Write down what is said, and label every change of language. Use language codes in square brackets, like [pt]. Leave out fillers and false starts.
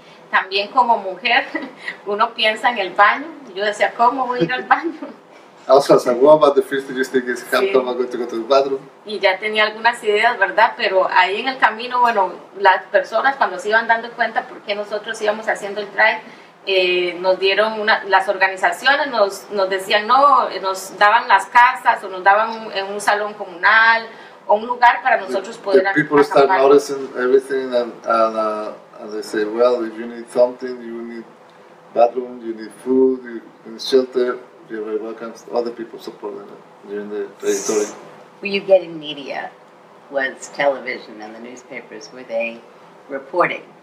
[es] También como mujer, uno piensa en el baño. Yo decía, ¿cómo voy a ir al baño? [en] Also as a woman, the first thing you think is, how am I going to go to the bathroom? [es] Y ya tenía algunas ideas, ¿verdad? Pero ahí en el camino, bueno, las personas cuando se iban dando cuenta por qué nosotros íbamos haciendo el trail, nos dieron las organizaciones nos decían, no, nos daban las casas o nos daban en un salón comunal o un lugar para nosotros poder acampar. [en] People start noticing everything and they say, well, if you need something, you need bathroom, you need food, you need shelter. You're very welcome. Other people support them during the territory. Were you getting media? Was television and the newspapers, were they reporting?